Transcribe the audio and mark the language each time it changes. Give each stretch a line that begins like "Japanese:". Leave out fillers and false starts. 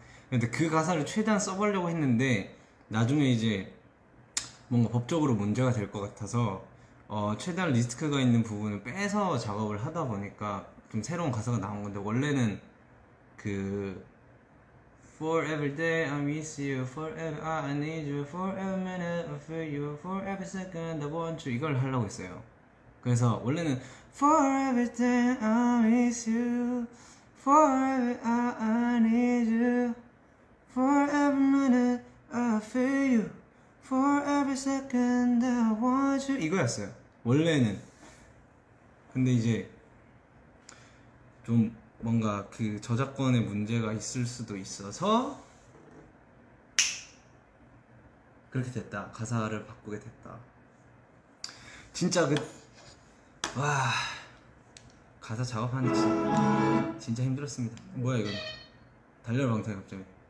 Korean: 근데 그 가사를 최대한 써보려고 했는데 나중에 이제 뭔가 법적으로 문제가 될것 같아서 최대한 리스크가 있는 부분을 빼서 작업을 하다 보니까 좀 새로운 가사가 나온 건데 원래는 그
English: Forever day I miss you, forever I need you, forever minute I feel you, forever second I want you
Korean: 이걸 하려고 했어요. 그래서 원래는
English: Forever day I miss you, forever I need you, forever minute I feel you, forever second I want you
Korean: 이거였어요. 원래는. 근데 이제 좀 뭔가 그 저작권에 문제가 있을 수도 있어서 그렇게 됐다. 가사를 바꾸게 됐다. 진짜 가사 작업하는데 진짜 힘들었습니다. 뭐야 이건? 달려라 방탄 갑자기.